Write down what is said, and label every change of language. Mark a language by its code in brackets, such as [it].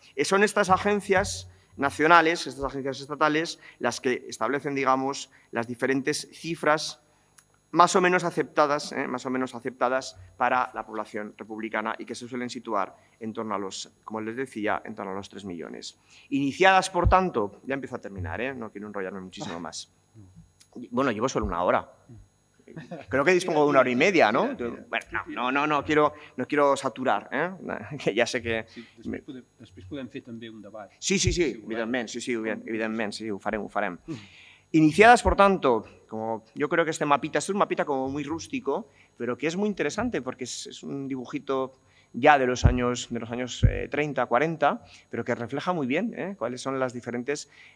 [es] Son estas agencias nacionales, estas agencias estatales, las que establecen, digamos, las diferentes cifras más o menos aceptadas para la población republicana y que se suelen situar en torno a los, como les decía, en torno a los 3 millones. Iniciadas, por tanto, ya empiezo a terminar, no quiero enrollarme muchísimo más. Bueno, llevo solo una hora. Creo que dispongo de una hora y media, ¿no? Bueno, no quiero saturar, ¿eh? [ca] Que ja sé que... Sí, després podem fer també un debat. Sí, evidentment, sí, ho farem. [es] Iniciadas, por tanto, como yo creo que este mapita como muy rústico, pero que es muy interesante porque es un dibujito ya de los años 30, 40, pero que refleja muy bien, ¿eh?, cuáles son los diferentes